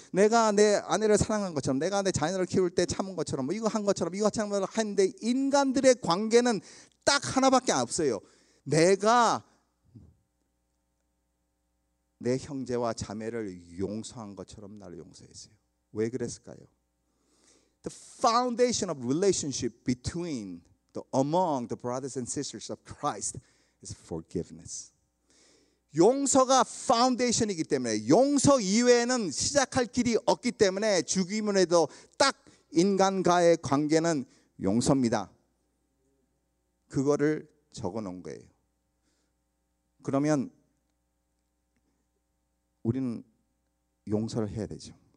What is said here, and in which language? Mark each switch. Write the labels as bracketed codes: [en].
[ko] 내가 내 아내를 사랑한 것처럼, 내가 내 자녀를 키울 때 참은 것처럼, 뭐 이거 한 것처럼, 이거 참은 것처럼 했는데, 인간들의 관계는 딱 하나밖에 없어요. 내가 내 형제와 자매를 용서한 것처럼 나를 용서했어요. 왜 그랬을까요? [en] The foundation of relationship between among the brothers and sisters of Christ is forgiveness. [ko] 용서가 파운데이션이기 때문에, 용서 이외에는 시작할 길이 없기 때문에 주기문에도 딱 인간과의 관계는 용서입니다. 그거를 적어놓은 거예요. 그러면 우리는 용서를 해야 되죠.